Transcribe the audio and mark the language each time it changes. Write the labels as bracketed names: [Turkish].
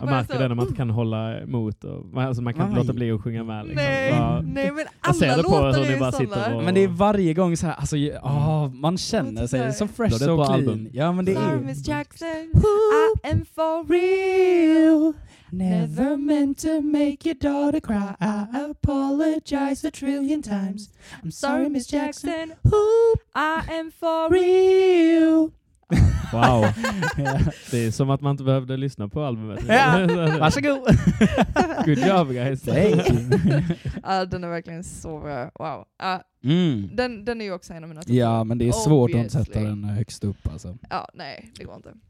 [Swedish] man märker den när man kan hålla emot. Och, alltså man kan inte låta bli att sjunga med. Liksom. Nej, bara, nej, men alla låtar är ju sådana. Men det är varje gång så här. Alltså, man känner sig så fresh och clean. Album. Ja, men det är [English] Miss Jackson, I am for real. Never meant to make your daughter cry. I apologize a trillion times. I'm sorry, Miss Jackson, who I am for real. Wow. [Swedish] Det är som att man inte behövde lyssna på albumet. Varsågod. [English] Good job, guys. [Swedish] Den är verkligen så bra. Wow. Den är ju också en av mina topp. Ja, men det är svårt att sätta den högst upp. Alltså. Ja, nej, det går inte.